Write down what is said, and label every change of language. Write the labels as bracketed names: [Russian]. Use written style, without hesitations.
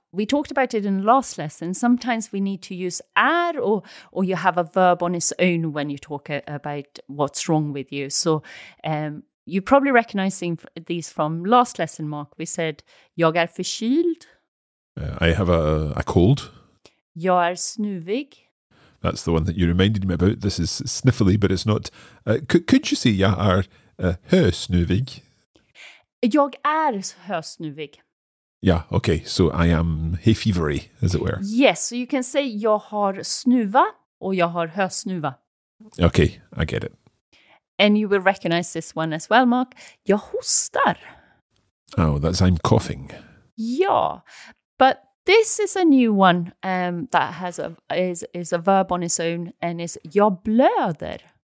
[English] We talked about it in the last lesson. Sometimes we need to use er, or you have a verb on its own when you talk about what's wrong with you. So you're probably recognizing these from last lesson, Mark. We said, [Swedish] jag är förkyld. [English] I have a cold. [Swedish] Jag är snuvig. [English] That's the one that you reminded me about. This is sniffly, but it's not. Could you say [Swedish] jag är hösnuvig? Jag är hösnuvig. [English] Yeah, okay. So I am hay fevery, as it were. Yes, so you can say [Swedish] jag har snuva [English] or [Swedish] jag har hösnuva. [English] Okay, I get it. And you will recognize this one as well, Mark. [Swedish] Jag hostar. [English] Oh, that's I'm coughing. Yeah, but this is a new one that has is a verb on its own and is [Swedish] jag blöder.